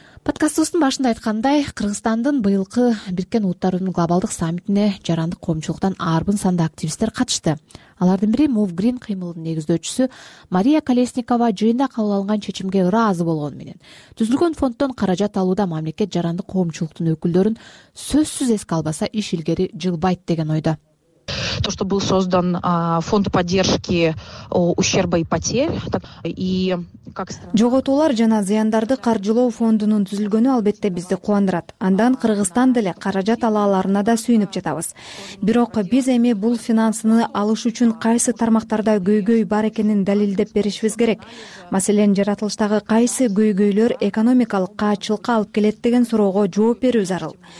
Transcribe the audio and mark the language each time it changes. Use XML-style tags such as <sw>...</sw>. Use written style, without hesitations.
<ky>Подкастыбыздын башында айткандай, Кыргызстандын быйылкы Бириккен Улуттар Уюмунун глобалдык саммитине жарандык коомчулуктан арбын санда активисттер катышты. Алардын бири MoveGreen кыймылынын негиздөөчүсү Мария Колесникова жыйында кабыл алынган чечимге ыраазы болгону менен түзүлгөн фонддон каражат алууда мамлекет жарандык коомчулуктун өкүлдөрүн сөзсүз эске албаса иш илгери жылбайт деген ойдо.</ky> <ru>То, что был создан фонд поддержки ущерба и потерь. И как</ru> <ky>жоготуулар жана зыяндарды каржылоо фондунун түзүлгөнү албетте бизди кубандырат. Андан Кыргызстан деле каражат ала аларына да сүйүнүп жатабыз. Бирок биз эми бул финансыны алыш үчүн кайсы тармактарда көйгөй бар экенин далилдеп беришибиз керек. Маселен, жаратылыштагы кайсы көйгөйлөр экономикалык каачылыкка алып келет деген суроого жооп берүү зарыл.</ky>